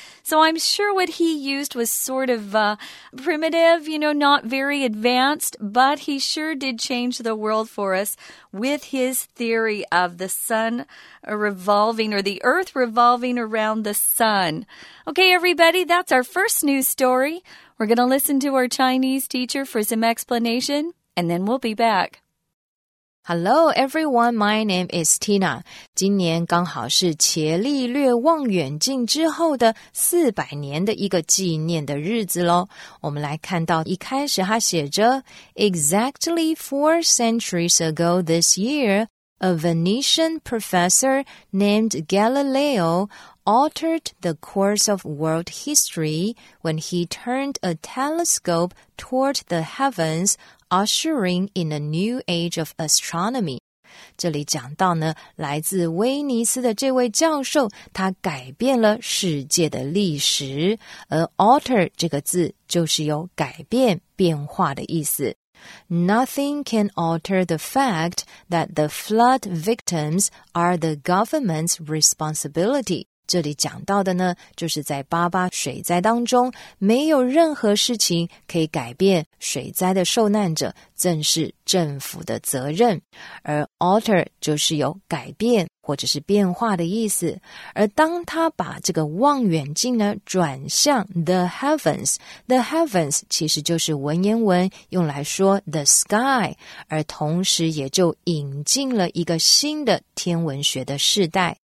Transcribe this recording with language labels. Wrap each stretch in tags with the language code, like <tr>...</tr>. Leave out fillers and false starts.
<en>So I'm sure what he used was sort of primitive, you know, not very advanced, but he sure did change the world for us with his theory of the sun revolving or the earth revolving around the sun. Okay, everybody, that's our first news story. We're going to listen to our Chinese teacher for some explanation, and then we'll be back. Hello, everyone. My name is Tina.</en> <zh>今年刚好是伽利略望远镜之后的400年的一个纪念的日子咯。我们来看到一开始他写着</zh> <en>Exactly 4 centuries ago this year, a Venetian professor named Galileo altered the course of world history when he turned a telescope toward the heavens,ushering in a new age of astronomy.</en> <zh>这里讲到呢，来自威尼斯的这位教授，他改变了世界的历史，而 alter 这个字就是有改变、变化的意思。</zh> <en>Nothing can alter the fact that the flood victims are the government's responsibility.</en> <zh>这里讲到的呢，就是在八八水灾当中，没有任何事情可以改变水灾的受难者正是政府的责任。而 alter 就是有改变或者是变化的意思。而当他把这个望远镜呢转向 the heavens, the heavens 其实就是文言文用来说 the sky, 而同时也就引进了一个新的天文学的世代。</zh>